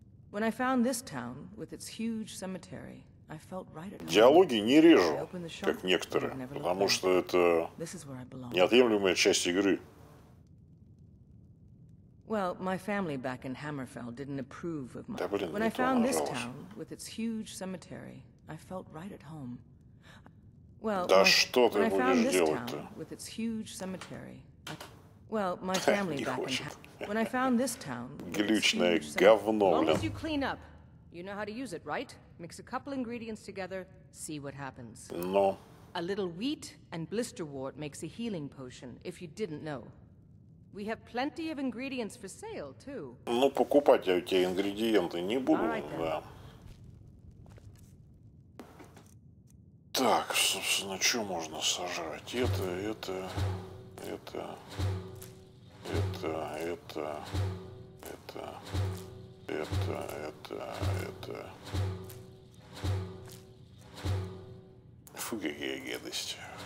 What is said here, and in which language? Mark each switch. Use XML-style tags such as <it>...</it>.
<en>When I found this town with its huge cemetery, I felt right at home.</en> <ru>Диалоги не режу, как некоторые, потому что это неотъемлемая часть игры.</ru> <en>Well, my family back in Hammerfell didn't approve of my...</en> <ru>Да, блин,</ru> <en>when I found this town with its huge cemetery, I felt right at home.</en> <ru>Well, да что ты будешь делать-то?</ru> <en>With its huge cemetery, Well, my family back in when I found this town.</en> <ru>Глючное говно, блин.</ru> <en>As long as you clean up, you know how to use it, right? Mix a couple ingredients together, see what happens. No. A little wheat and blisterwort makes a healing potion, if you didn't know. We have plenty of ingredients for sale, too.</en> <ru>Ну, покупать я у тебя ингредиенты не буду, да. Так, собственно, что можно сажать? Это. Фу, какие гадости.</ru>